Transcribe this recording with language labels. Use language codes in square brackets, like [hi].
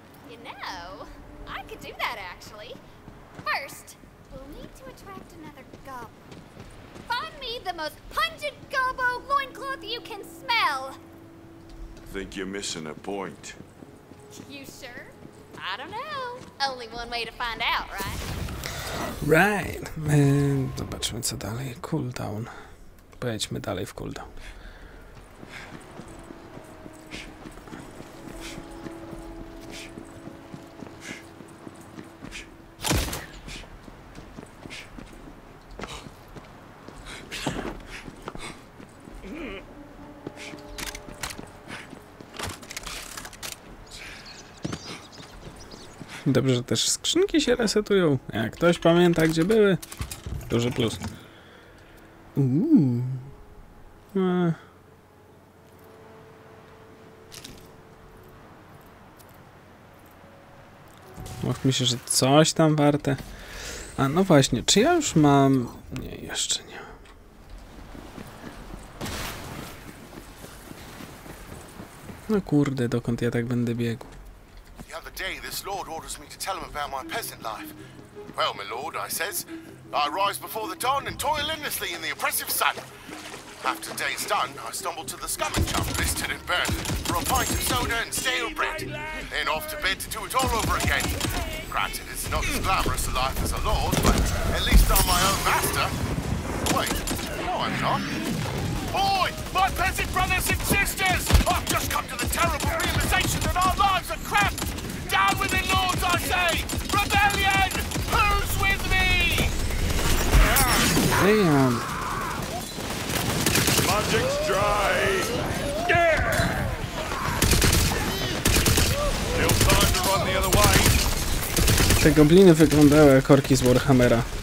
[en] You know, I could do that, actually. First, we'll need to attract another goblin. Find me the most pungent gobo loincloth you can smell. Think you're missing a point. You sure? I don't know. Only one way to find out, right? Right. [pl] Zobaczmy co dalej. Cooldown. Pojedźmy dalej w cooldown. Dobrze, że też skrzynki się resetują. Jak ktoś pamięta, gdzie były, duży plus. Mów mi się, że coś tam warte. A no właśnie, czy ja już mam... Nie, jeszcze nie. No kurde, dokąd ja tak będę biegł? [en] The other day, this lord orders me to tell him about my peasant life. Well, my lord, I says, I rise before the dawn and toil endlessly in the oppressive sun. After day's done, I stumble to the scummon chump, listed in bed, for a pint of soda and stale bread. Then off to bed to do it all over again. Granted, it's not as glamorous a life as a lord, but at least I'm my own master. Wait, no, I'm not. Boy, my peasant brothers and sisters! I've just come to the terrible realization that our lives are cramped! Down with the lords, I say! Rebellion! Who's with me? Damn. Magic's dry! No time to run the other way! [pl] Te gobliny wyglądały jak orki z Warhammera.